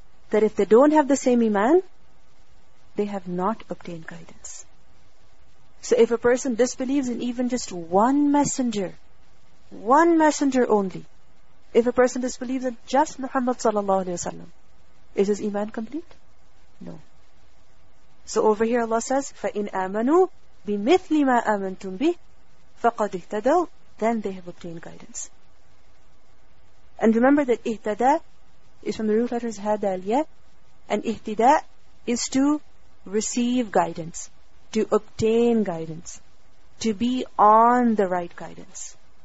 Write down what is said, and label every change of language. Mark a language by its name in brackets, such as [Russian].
[English] That if they don't have the same iman, they have not obtained guidance. So if a person disbelieves in even just one messenger only, if a person disbelieves in just Muhammad sallallahu alayhi wa sallam, is his iman complete? No. So over here Allah says, [Arabic] فَإِنْ آمَنُوا بِمِثْلِ مَا آمَنْتُمْ بِهِ فَقَدْ اِهْتَدَوْا. [English] Then they have obtained guidance. And remember that اِهْتَدَى is from the root letters هَدَى الْيَا, and اِهْتِدَى is to receive guidance, to obtain guidance, to be on the right guidance.